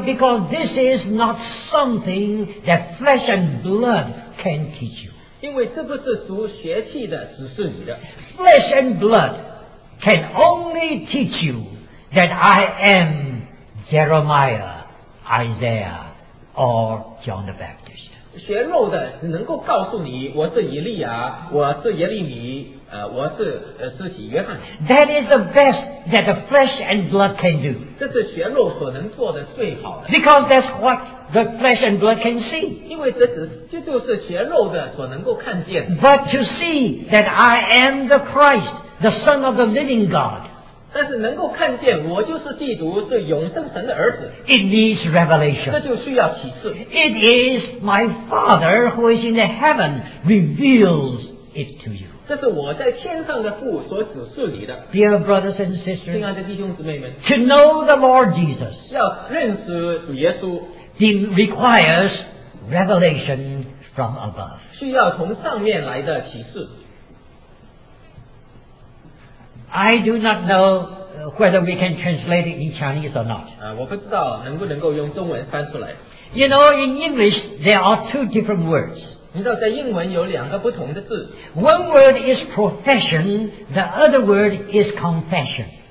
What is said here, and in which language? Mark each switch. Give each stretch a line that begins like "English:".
English: Because this is not something that flesh and blood can teach you.
Chinese: 因为这不是属血气的，只是你的。
English: Flesh and blood can only teach you that I am Jeremiah, Isaiah, or John the Baptist.
Chinese: 血肉的只能够告诉你我是以利亚我是耶利米我是施洗约翰。
English: That is the best that the flesh and blood can do.
Chinese: 这是血肉所能做的最好的。
English: Because that's what the flesh and blood can see.
Chinese: 因为这只这就是血肉的所能够看见的。
English: But to see that I am the Christ, the Son of the living God.
Chinese: 但是能够看见我就是基督是永生神的儿子。
English: It needs revelation.
Chinese: 这就需要启示。
English: It is my Father who is in the heaven reveals it to you.
Chinese: 这是我在天上的父所指示你的。
English: Dear brothers and sisters,
Chinese: 亲爱的弟兄姊妹们,
English: to know the Lord Jesus,
Chinese: 要认识主耶稣,
English: requires revelation from above.
Chinese: 需要从上面来的启示。
English: I do not know whether we can translate it in Chinese or not.
Chinese: 我不知道能不能够用中文翻出来。
English: You know, in English, there are two different words.
Chinese: 你知道在英文有两个不同的字。
English: One word is profession, the other word is confession.